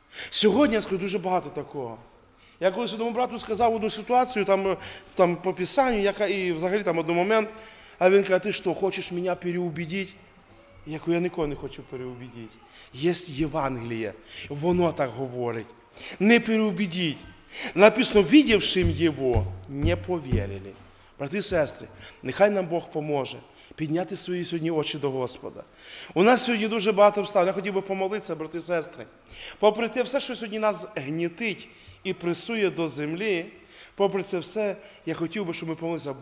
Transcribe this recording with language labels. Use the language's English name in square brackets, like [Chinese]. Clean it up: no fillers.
[Ukrainian] Сьогодні, я скажу, дуже багато такого. Я колись одному брату сказав одну ситуацію, там по Писанню, і взагалі там один момент, а він каже, ти що, хочеш мене переубедити? Я кажу, я нікого не хочу переубедити. Є Євангеліє, воно так говорить. Не переубедіть. [Russian] Написано, видевшим Его, не поверили. [Ukrainian] Брати і сестри, нехай нам Бог поможе підняти свої сьогодні очі до Господа. У нас сьогодні дуже багато обставин. Я хотів би помолитися, брати і сестри. Попри те все, що сьогодні нас гнітить і пресує до землі, попри це все, я хотів би, щоб ми помолилися.